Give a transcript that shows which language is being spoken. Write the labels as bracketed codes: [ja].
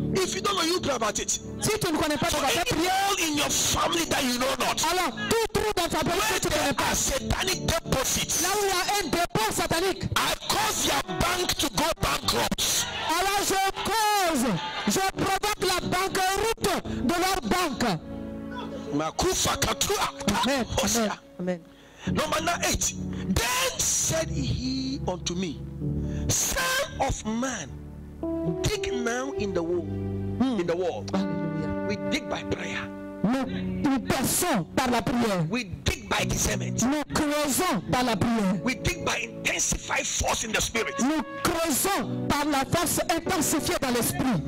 [en] If you don't know, you pray about it. [fr] Si tu ne connais pas, [en] so [fr] tu vas prier. [en] Any hole in your family that you know not. [fr] Alors, tout trou dans ta famille tu ne connais pas. [en] Where there are satanic deposits. [fr] Là où il y a un dépôt satanique. [en] I cause your bank to go bankrupt. [fr] Alors je provoque la banqueroute de leur banque. [en] Amen. Number 8. Then said he unto me, son of man, dig now in the wall. In the wall. Hallelujah. We dig by prayer. [fr] Nous perçons par la prière. [en] We dig by discernment. [fr] Nous creusons par la prière. [en] We dig by intensified force in the spirit. [fr] Nous creusons par la force intensifiée dans l'esprit.